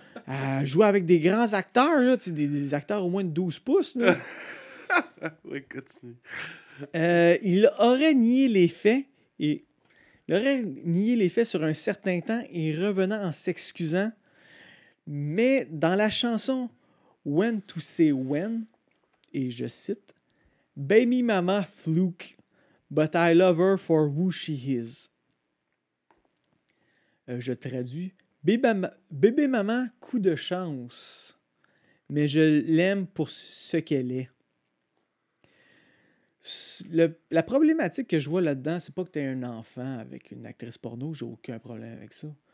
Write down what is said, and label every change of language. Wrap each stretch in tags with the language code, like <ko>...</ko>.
<fr>Elle joue avec des grands acteurs, là, tu sais, des acteurs au moins de 12 pouces, là. Oui, continue. Il aurait nié les faits et... Il aurait nié les faits sur un certain temps et revenant en s'excusant. Mais dans la chanson...</fr> <en>When to say when,</en> <fr>et je cite,</fr> <en>Baby mama fluke, but I love her for who she is.</en> <fr>Je traduis, bébé mama, coup de chance, mais je l'aime pour ce qu'elle est. La problématique que je vois là-dedans, c'est pas que tu aies un enfant avec une actrice porno, j'ai aucun problème avec ça.</fr>